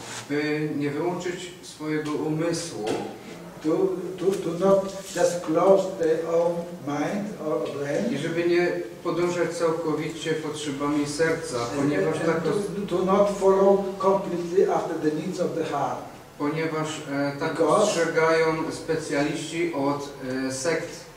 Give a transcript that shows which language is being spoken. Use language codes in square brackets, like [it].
[pl] By nie wyłączyć swojego umysłu. [en] To not just close their own mind or brain. [pl] I żeby nie podążać całkowicie potrzebami serca, ponieważ tak to. [en] To not follow completely after the needs of the heart. [pl] Ponieważ tak ostrzegają specjaliści od sekt.